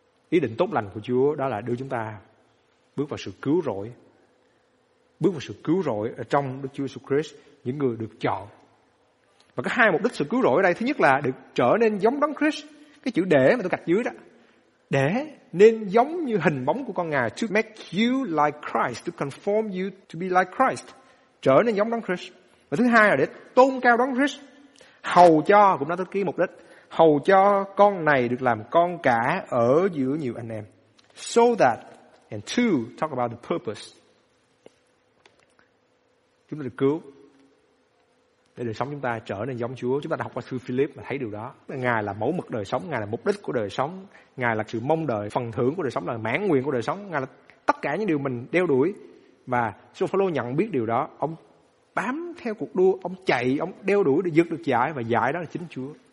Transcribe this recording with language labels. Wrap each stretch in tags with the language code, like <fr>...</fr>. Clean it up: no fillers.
<vi>Ý định tốt lành của Chúa đó là đưa chúng ta bước vào sự cứu rỗi. Bước vào sự cứu rỗi ở trong Đức Chúa Jesus Christ, những người được chọn. Và có hai mục đích sự cứu rỗi ở đây. Thứ nhất là được trở nên giống đấng Christ. Cái chữ để mà tôi gạch dưới đó. Để nên giống như hình bóng của con Ngài.</vi> <en>To make you like Christ. To conform you to be like Christ.</en> <vi>Trở nên giống đấng Christ. Và thứ hai là để tôn cao đấng Christ. Hầu cho, cũng nói tới cái mục đích. Hầu cho con này được làm con cả ở giữa nhiều anh em.</vi> <en>So that, and to talk about the purpose.</en> <vi>Chúng ta được cứu. Để đời sống chúng ta trở nên giống Chúa. Chúng ta đã học qua thư Philip mà thấy điều đó. Ngài là mẫu mực đời sống, Ngài là mục đích của đời sống. Ngài là sự mong đợi, phần thưởng của đời sống, là mãn nguyện của đời sống. Ngài là tất cả những điều mình đeo đuổi. Và Sô Phá Lô nhận biết điều đó. Ông bám theo cuộc đua, ông chạy, ông đeo đuổi để vượt được giải. Và giải đó là chính Chúa.</vi>